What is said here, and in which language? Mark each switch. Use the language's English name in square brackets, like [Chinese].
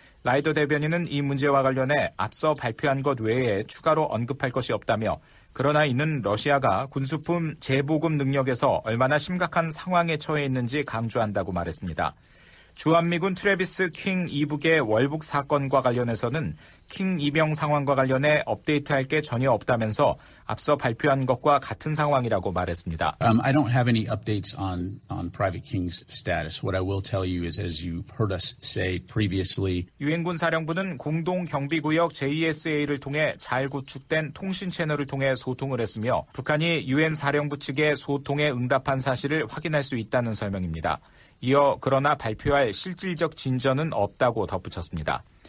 [Korean] 라이더 대변인은 이 문제와 관련해 앞서 발표한 것 외에 추가로 언급할 것이 없다며 그러나 이는 러시아가 군수품 재보급 능력에서 얼마나 심각한 상황에 처해 있는지 강조한다고 말했습니다. 주한미군 트래비스 킹 이북의 월북 사건과 관련해서는 킹 이병 상황과 관련해 업데이트할 게 전혀 없다면서 앞서 발표한 것과 같은 상황이라고 말했습니다. [English] I don't have any updates on Private King's status. What I will tell you is, as you've heard us say previously, [Korean] 유엔군 사령부는 공동 경비구역 JSA를 통해 잘 구축된 통신 채널을 통해 소통을 했으며 북한이 유엔 사령부 측의 소통에 응답한 사실을 확인할 수 있다는 설명입니다. 이어 그러나 발표할 실질적 진전은 없다고 덧붙였습니다.